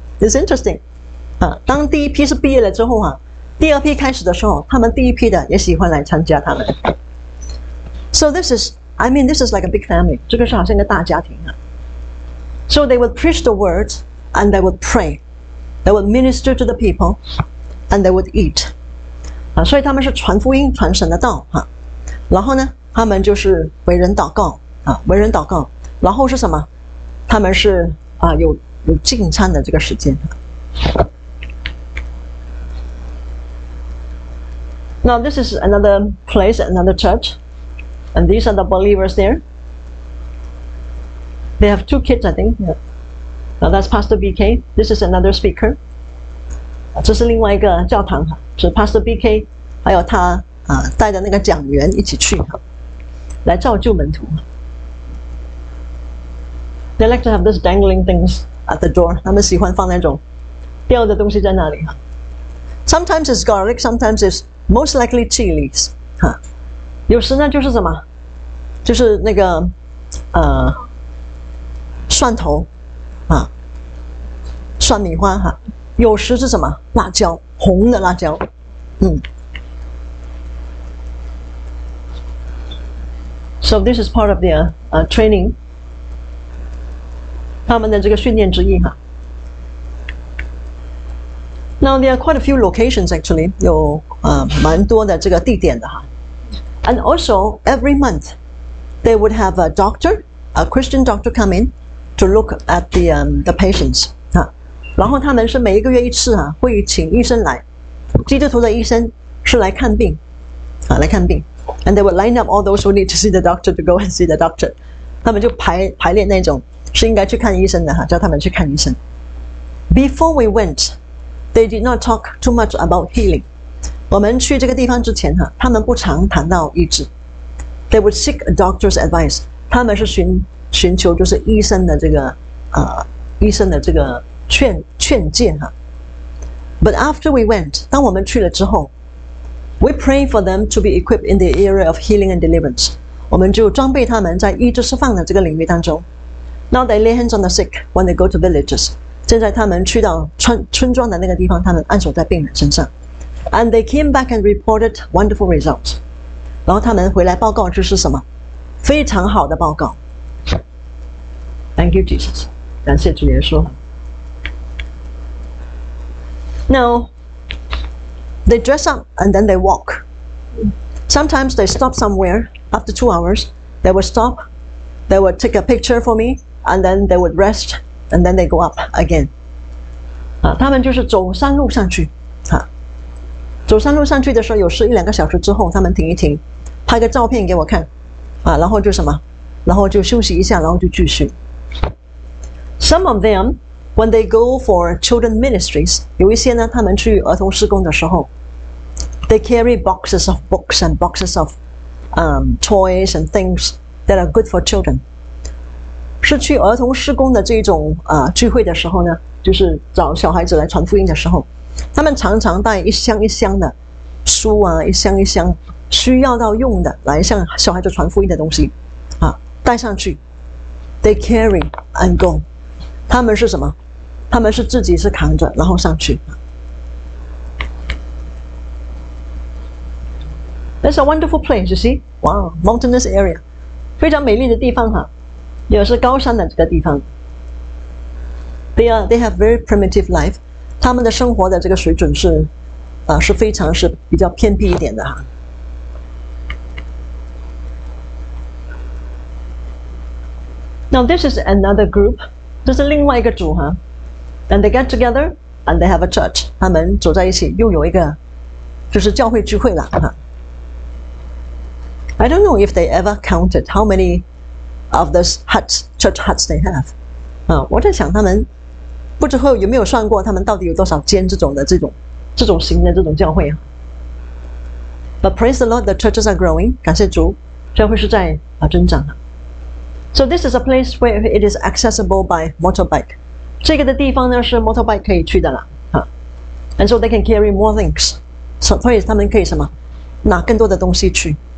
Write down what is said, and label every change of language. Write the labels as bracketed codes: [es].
[en] It's interesting. [zh] 当第一批是毕业了之后，第二批开始的时候，他们第一批的也喜欢来参加他们。 [en] So this is like a big family. [zh] 这个是好像一个大家庭。 [en] So they would preach the word and they would pray. They would minister to the people and they would eat. [zh] 所以他们是传福音传神的道。然后呢他们就是为人祷告。为人祷告。然后是什么他们是有进餐的这个时间。 [en] Now this is another place, another church. And these are the believers there. They have two kids, I think. Now that's Pastor BK. This is another speaker. [zh] 这是另外一个教堂，是 Pastor BK 还有他带的那个讲员一起去，来造就门徒。 [en] They like to have these dangling things at the door. [zh] 他们喜欢放那种吊的东西在那里。 [en] Sometimes it's garlic, sometimes it's most likely chilies. [zh] 有时呢就是什么，就是那个蒜头蒜米花有时是什么辣椒红的辣椒 [en] So this is part of their training. [zh] 他们的这个训练之一 [en] Now there are quite a few locations actually, [zh] 有蛮多的这个地点的。 [en] And also every month, they would have a doctor, a Christian doctor come in to look at the patients. [zh] 然后他们是每一个月一次会请医生来。基督徒的医生是来看病。来看病。 [en] And they would line up all those who need to see the doctor to go and see the doctor. [zh] 他们就排练那种是应该去看医生的叫他们去看医生。 [en] Before we went,They did not talk too much about healing. [zh] 我们去这个地方之前他们不常谈到医治。 [en] They would seek a doctor's advice. [zh] 他们是寻求就是医生的这个医生的这个劝谏。 [en] But after we went, [zh] 当我们去了之后 [en] we pray for them to be equipped in the area of healing and deliverance. [zh] 我们就装备他们在医治释放的这个领域当中。 [en] Now they lay hands on the sick when they go to villages. [zh] 现在他们去到村庄的那个地方，他们按手在病人身上 [en] ，and they came back and reported wonderful results. [zh] 然后他们回来报告就是什么，非常好的报告。 [en] Thank you, Jesus. [zh] 感谢主耶稣。 [en] Now they dress up and then they walk. Sometimes they stop somewhere. After 2 hours, they would stop. They would take a picture for me, and then they would rest. And then they go up again. [zh] 他们就是走山路上去，走山路上去的时候，有时一两个小时之后，他们停一停，拍个照片给我看，然后就什么，然后就休息一下，然后就继续。 [en] Some of them, when they go for children ministries, [zh] 有一些呢，他们去儿童事工的时候 [en] ，they carry boxes of books and boxes of toys and things that are good for children. [zh] 是去儿童施工的这种聚会的时候呢，就是找小孩子来传福音的时候，他们常常带一箱一箱的书一箱一箱需要到用的来向小孩子传福音的东西带上去。 [en] They carry and go. [zh] 他们是什么？他们是自己是扛着然后上去。 [en] That's a wonderful place, you see? Wow, mountainous area. [zh] 非常美丽的地方也是高山的这个地方。 [en] They have very primitive life. [zh] 他们的生活的这个水准是是非常是比较偏僻一点的。 [en] Now this is another group. [zh] 这是另外一个组。 [en] And they get together and they have a church. [zh] 他们走在一起又有一个就是教会聚会了。 [en] I don't know if they ever counted how manyOf those huts, church huts they have. [zh] 我在想他们不知道有没有算过他们到底有多少间这种型的这种教会。 [en] But praise the Lord, the churches are growing. [zh] 感谢主，教会是在增长。 [en] So this is a place where it is accessible by motorbike. [zh] 这个的地方呢是 motorbike 可以去的了。 [en] And so they can carry more things. [zh] 所以他们可以什么？拿更多的东西去。